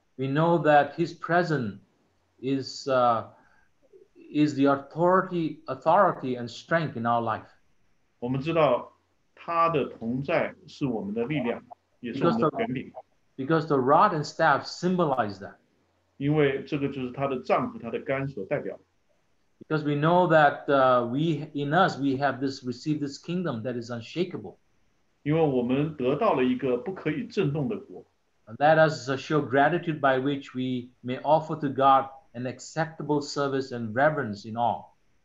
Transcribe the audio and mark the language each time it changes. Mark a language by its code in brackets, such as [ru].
[en] we know that His presence is the authority and strength in our life. [zh] 我们知道他的同在是我们的力量, [en] because the rod and staff symbolize that. [zh] 因为这个就是他的杖和他的竿所代表的。 [en] Because we know that we have this received this kingdom that is unshakable. [zh] 因为我们得到了一个不可以震动的国, [en] let us show gratitude by which we may offer to God an acceptable service and reverence in all.